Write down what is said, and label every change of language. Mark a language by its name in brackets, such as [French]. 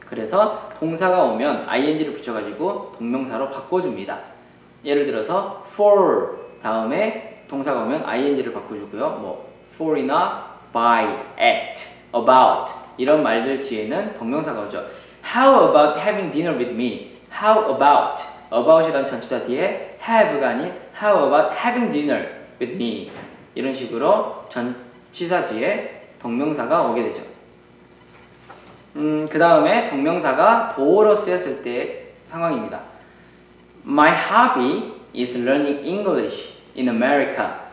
[Korean] 그래서 동사가 오면 ing를 붙여가지고 동명사로 바꿔줍니다. 예를 들어서 for 다음에 동사가 오면 ing를 바꿔주고요. 뭐 for이나 by, at, about 이런 말들 뒤에는 동명사가 오죠. [English] How about having dinner with me? How about? [Korean] about이란 전치사 뒤에 have가 아닌 [English] how about having dinner with me? [Korean] 이런 식으로 전치사 뒤에 동명사가 오게 되죠. 그 다음에 동명사가 보어로 쓰였을 때 상황입니다. [English] My hobby is learning English in America.